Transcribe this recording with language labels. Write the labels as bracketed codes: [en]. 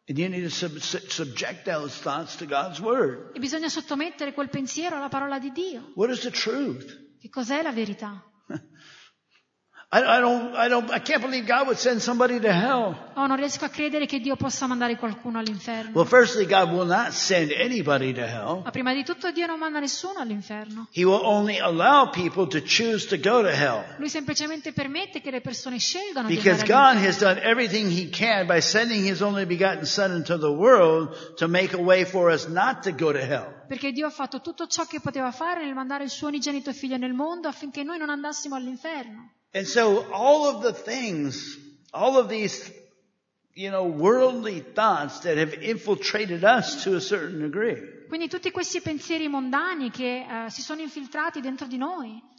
[en] And you need to subject those thoughts to God's word. [it] E bisogna sottomettere quel pensiero alla parola di Dio. [en] What is the truth? [it] Che cos'è la verità? [en] I can't believe God would send somebody to hell. [it] Oh, non riesco a credere che Dio possa mandare qualcuno all'inferno. [en] Well, firstly, God will not send anybody to hell. [it] Ma prima di tutto Dio non manda nessuno all'inferno. [en] He will only allow people to choose to go to hell. [it] Lui semplicemente permette che le persone scelgano di andare. [en] Because God has done everything he can by sending his only begotten son into the world to make a way for us not to go to hell. [it] Perché Dio ha fatto tutto ciò che poteva fare nel mandare il suo unigenito figlio nel mondo affinché noi non andassimo all'inferno. [en] And so all of the things, all of these, you know, worldly thoughts that have infiltrated us to a certain degree. [it] Quindi tutti questi pensieri mondani che si sono infiltrati dentro di noi.